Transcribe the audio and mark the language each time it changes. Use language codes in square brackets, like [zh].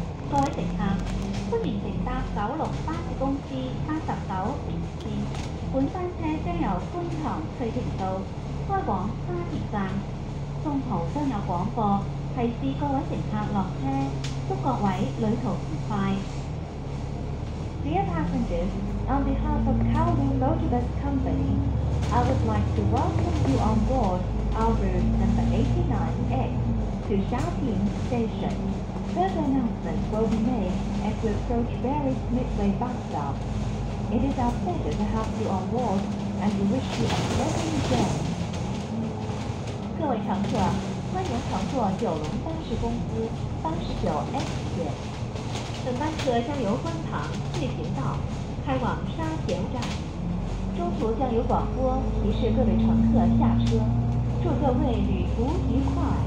[zh] 各位乘客，欢迎乘搭九龙巴士公司89号线。本班车将由观塘翠屏道开往沙田站，中途将有广播提示各位乘客落车，祝各位旅途愉快。 [en] Dear passengers, on behalf of Kowloon Motorbus Company, I would like to welcome you on board our route number 89X to Xiaoping Station. Further announcements will be made as we approach various midway bus stops. It is our pleasure to have you on board and we wish you a pleasant day. [zh] 各位乘客，欢迎乘坐九龙巴士公司89X线。本班车将由观塘翠屏道开往沙田站，中途将有广播提示各位乘客下车，祝各位旅途愉快。